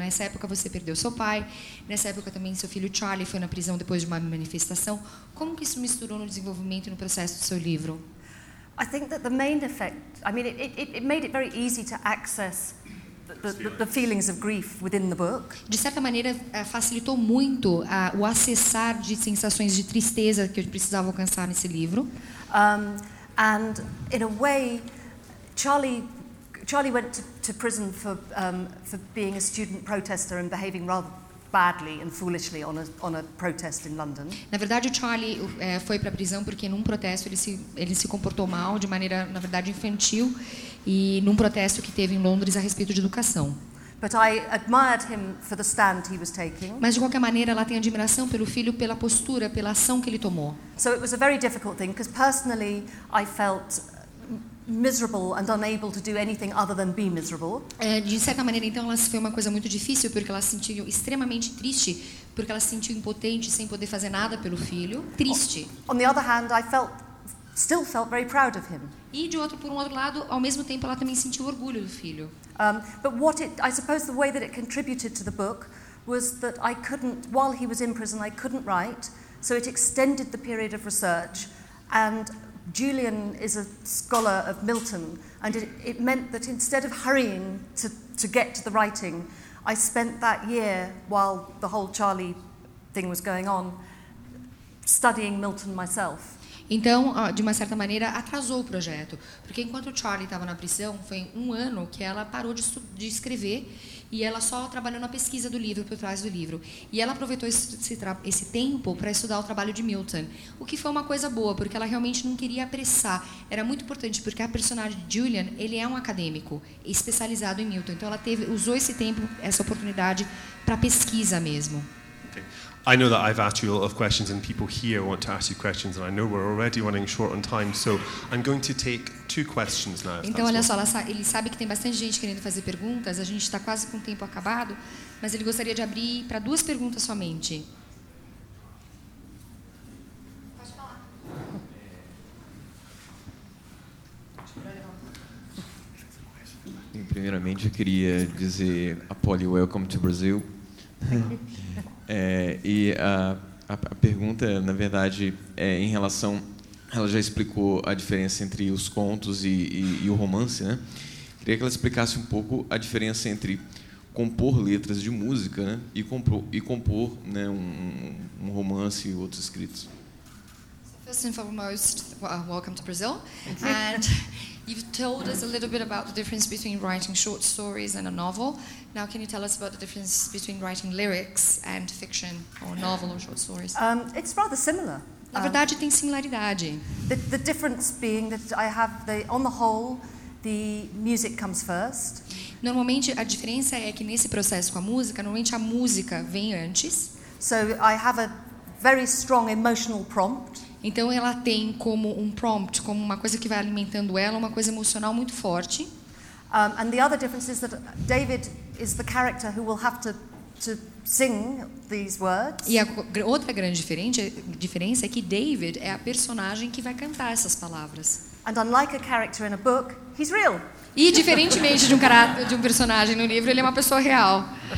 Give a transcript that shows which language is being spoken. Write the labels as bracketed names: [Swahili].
[Portuguese] Nessa época você perdeu seu pai, nessa época também seu filho Charlie foi na prisão depois de uma manifestação. Como que isso misturou no desenvolvimento e no processo do seu livro? [English] I think that the main effect, I mean, it made it very easy to access the feelings of grief within the book. [Portuguese] De certa maneira, facilitou muito o acessar de sensações de tristeza que eu precisava alcançar nesse livro. [English] And in a way, Charlie went to prison for being a student protester and behaving rather badly and foolishly on a protest in London. [Portuguese] Na verdade, o Charlie foi para prisão porque num protesto ele se comportou mal, de maneira, na verdade, infantil, e num protesto que teve em Londres a respeito de educação. [English] But I admired him for the stand he was taking. [Portuguese] Mas de qualquer maneira, ela tem admiração pelo filho, pela postura, pela ação que ele tomou. [English] So it was a very difficult thing because personally I felt miserable and unable to do anything other than be miserable. [Portuguese] De certa maneira, então, ela foi uma coisa muito difícil porque ela se sentiu extremamente triste, porque ela se sentiu impotente sem poder fazer nada pelo filho. Triste. [English] On the other hand, I still felt very proud of him. [Portuguese] E de outro, por um outro lado, ao mesmo tempo, ela também sentiu orgulho do filho. [English] But what it, I suppose, the way that it contributed to the book was that I couldn't, while he was in prison, I couldn't write, so it extended the period of research. And Julian is a scholar of Milton, and it meant that instead of hurrying to get to the writing, I spent that year, while the whole Charlie thing was going on, studying Milton myself. [Portuguese] Então, de uma certa maneira, atrasou o projeto. Porque enquanto o Charlie estava na prisão, foi um ano que ela parou de escrever e ela só trabalhou na pesquisa do livro, por trás do livro. E ela aproveitou esse tempo para estudar o trabalho de Milton. O que foi uma coisa boa, porque ela realmente não queria apressar. Era muito importante, porque a personagem de Julian, ele é um acadêmico especializado em Milton. Então, ela usou esse tempo, essa oportunidade, para pesquisa mesmo. [English] I know that I've asked you a lot of questions and people here want to ask you questions, and I know we're already running short on time, so I'm going to take two questions now. [Portuguese] Então, olha só, ele sabe que tem bastante gente querendo fazer perguntas, a gente está quase com o tempo acabado, mas ele gostaria de abrir para duas perguntas somente. Pode falar. Primeiramente, eu queria dizer a Polly, [English] welcome to Brazil. [Portuguese] E a pergunta, na verdade, é em relação... Ela já explicou a diferença entre os contos e o romance, né? Queria que ela explicasse um pouco a diferença entre compor letras de música, né, e compor, né, um romance e outros escritos. [English] First and foremost, welcome to Brazil. And you've told us a little bit about the difference between writing short stories and a novel. Now, can you tell us about the difference between writing lyrics and fiction, or novel or short stories? It's rather similar. [Portuguese] Na verdade, tem similaridade. [English] The difference being that I have on the whole, the music comes first. [Portuguese] Normalmente, a diferença é que nesse processo com a música, normalmente a música vem antes. [English] So I have a very strong emotional prompt. [Portuguese] Então ela tem como um prompt, como uma coisa que vai alimentando ela, uma coisa emocional muito forte. [English] And the other difference is that David is the character who will have to sing these words. [Portuguese] E a outra grande diferença é que David é a personagem que vai cantar essas palavras. [English] And unlike a character in a book, he's real. [Portuguese] E diferentemente de um personagem no livro, ele é uma pessoa real.